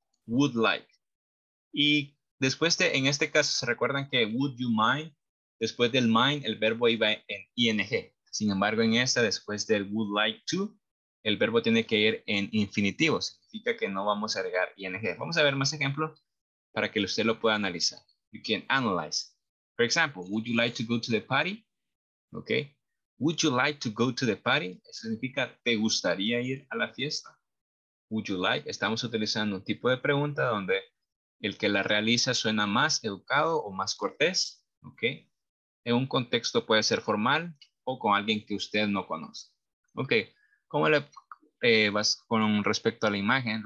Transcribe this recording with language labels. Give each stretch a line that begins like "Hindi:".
English: Would like.
Spanish: Y después de, en este caso, ¿se recuerdan que
English: would you mind?
Spanish: Después del mind, el verbo iba en ing. Sin embargo, en esta, después del
English: would like to,
Spanish: el verbo tiene que ir en infinitivo. Significa que no vamos a agregar ing. Vamos a ver más ejemplos para que usted lo pueda analizar.
English: You can analyze. For example, would you like to go to the party? Okay. Would you like to go to the party?
Spanish: Eso significa, ¿te gustaría ir a la fiesta?
English: Would you like?
Spanish: Estamos utilizando un tipo de pregunta donde el que la realiza suena más educado o más cortés, ¿ok? En un contexto puede ser formal o con alguien que usted no conoce. Ok, ¿cómo le vas con respecto a la imagen?